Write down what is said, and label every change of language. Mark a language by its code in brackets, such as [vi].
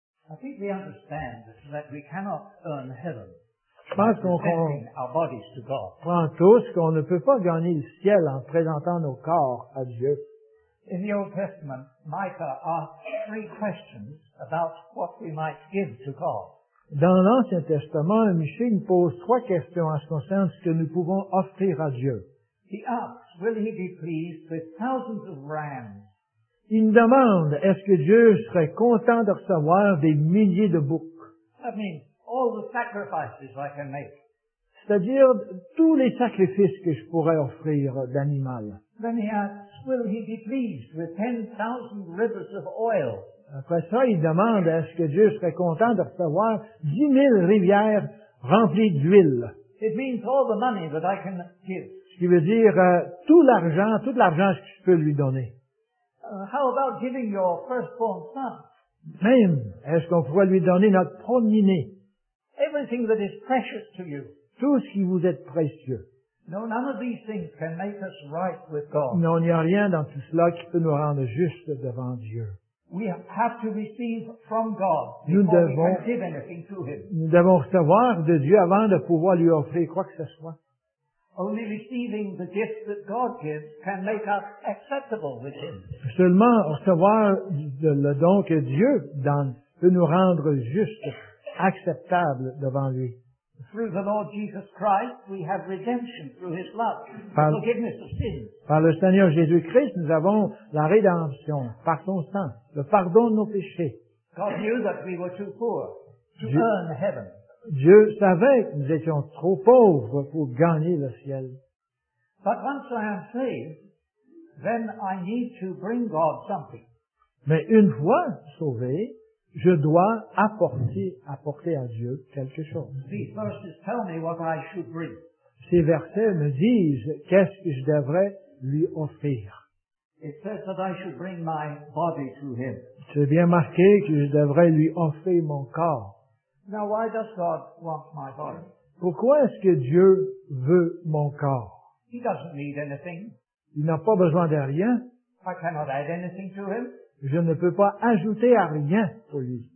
[en] I think we understand that we cannot earn heaven. [fr] Je pense qu'on comprend [en] our bodies to God. [fr] Prend tous qu'on ne peut pas gagner le ciel en présentant nos corps à Dieu. [en] In the Old Testament, Micah asked three questions about what we might give to God. [fr] Dans l'Ancien Testament, Michée nous pose trois questions en ce concernant ce que nous pouvons offrir à Dieu. [en] He asks, will he be pleased with thousands of rams? [fr] Il me demande, est-ce que Dieu serait content de recevoir des milliers de boucs? [en] That means all the sacrifices I can make. [fr] C'est-à-dire tous les sacrifices que je pourrais offrir d'animal. [en] Then he asks, will he be pleased with 10,000 rivers of oil? [fr] Après ça, il demande, est-ce que Dieu serait content de recevoir 10 000 rivières remplies d'huile? [en] It means all the money that I can give. [fr] Ce qui veut dire tout l'argent que je peux lui donner. [en] How about giving your firstborn son? [fr] Même, est-ce qu'on pourrait lui donner notre premier-né? [en] Everything that is precious to you. [fr] Tout ce qui vous est précieux. [en] No, none of these things can make us right with God. [fr] Non, il n'y a rien dans tout cela qui peut nous rendre juste devant Dieu. [en] We have to receive from God before we can give anything to him. [fr] Nous devons recevoir de Dieu avant de pouvoir lui offrir quoi que ce soit. [en] Only receiving the gift that God gives can make us acceptable with Him. [fr] Seulement recevoir le don que Dieu donne peut nous rendre juste, acceptable devant lui. [en] Through the Lord Jesus Christ, we have redemption through His blood, forgiveness of sins. [fr] Par le Seigneur Jésus-Christ, nous avons la rédemption par son sang, le pardon de nos péchés. [en] God knew that we were too poor to earn heaven. [fr] Dieu savait que nous étions trop pauvres pour gagner le ciel. [en] But once I am saved, then I need to bring God something. [fr] Mais une fois sauvé, je dois apporter à Dieu quelque chose. [en] These verses tell me what I should bring. [fr] Ces versets me disent qu'est-ce que je devrais lui offrir. [en] It says that I should bring my body to him. [fr] C'est bien marqué que je devrais lui offrir mon corps. [en] Now, why does God want my body? [fr] Pourquoi est-ce que Dieu veut mon corps? [en] He doesn't need anything. [fr] Il n'a pas besoin de rien. [en] I cannot add anything to him. [fr] Je ne peux pas ajouter à rien pour lui.